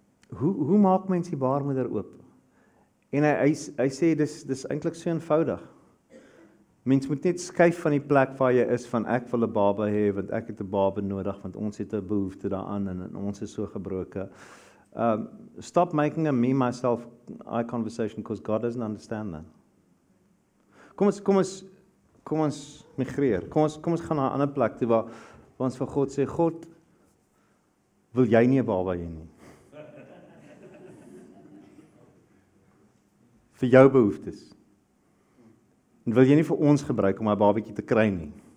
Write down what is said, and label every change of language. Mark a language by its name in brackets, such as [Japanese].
[Afrikaans] Hoe maak mens die baarmoeder oop? En hy sê dis eintlik so eenvoudig. Mens moet net skuif van die plek waar jy is, van ek wil 'n baba hê, want ek het 'n baba nodig, want ons het 'n behoefte daaraan, en ons is so gebroken. [English] Stop making a me, myself, I conversation, because God doesn't understand that. [Afrikaans] Kom ons migreer. Kom ons gaan na 'n ander plek toe, waar ons vir God sê, God, wil jy nie 'n baba hê nie? Vir jou behoeftes. En wil jy nie vir ons gebruik om 'n babietjie te kry nie.